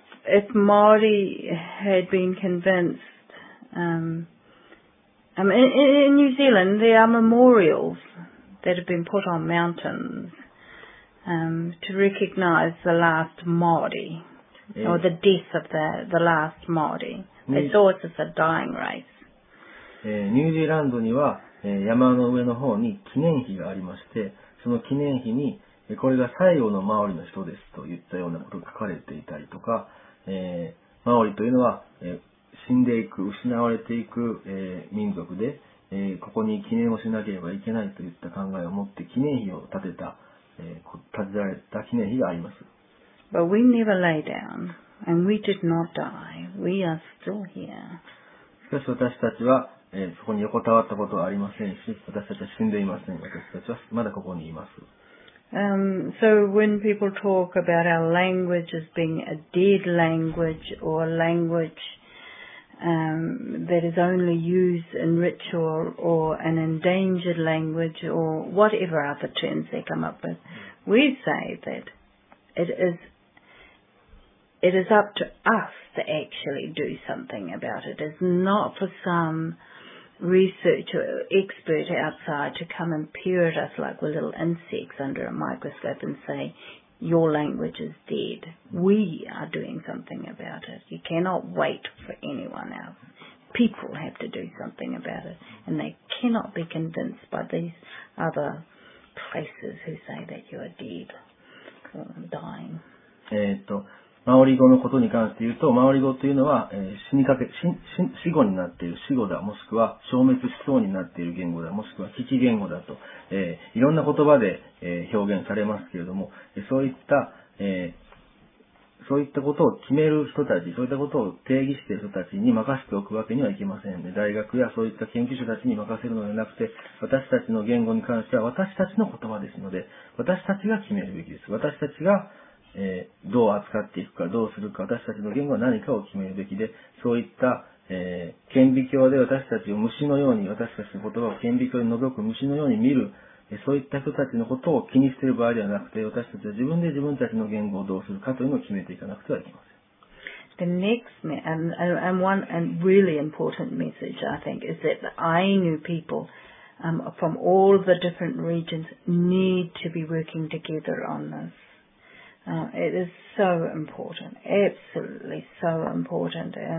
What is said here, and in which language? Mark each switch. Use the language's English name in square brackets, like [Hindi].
[English] If Māori had been convinced, in New Zealand, there are memorials that have been put on mountains to recognise the last Māori, or the death of the last Māori. They saw it as a dying race. [Japanese] New Zealand には山の上の方に記念碑がありまして、その記念碑にこれが最後のマオリの人ですといったようなことが書かれていたりとか、マオリというのは、死んでいく、失われていく、民族で、ここに記念をしなければいけないといった考えを持って記念碑を建てた、立ち上げた記念碑があります。 [English] But we never lay down, and we did not die. We are still here. [Japanese] しかし私たちは、そこに横たわったことはありませんし、私たちは死んでいません。私たちはまだここにいます。 [English] So when people talk about our language as being a dead language or a language that is only used in ritual or an endangered language or whatever other terms they come up with, we say that it is up to us to actually do something about it. It's not for some researcher or expert outside to come and peer at us like we're little insects under a microscope and say, your language is dead. We are doing something about it. You cannot wait for anyone else. People have to do something about it. And they cannot be convinced by these other places who say that you are dead or dying. [Japanese] マオリ語のことに関して言うと、マオリ語というのは、死後になっている死語だ、もしくは消滅しそうになっている言語だ、もしくは危機言語だと、いろんな言葉で、表現されますけれども、そういったことを決める人たち、そういったことを定義している人たちに任せておくわけにはいけませんね。大学やそういった研究者たちに任せるのではなくて、私たちの言語に関しては私たちの言葉ですので、私たちが決めるべきです。私たちがどう扱っていくか、どうするか、私たちの言語は何かを決めるべきで、そういった、顕微鏡で私たちを虫のように、私たちの言葉を顕微鏡に覗く虫のように見る、そういった人たちのことを気にしている場合ではなくて、私たちは自分で自分たちの言語をどうするかというのを決めていかなくてはいけません。 [English] The next one and really important message, I think, is that the Ainu people, from all the different regions need to be working together on this. It is so important, absolutely so important.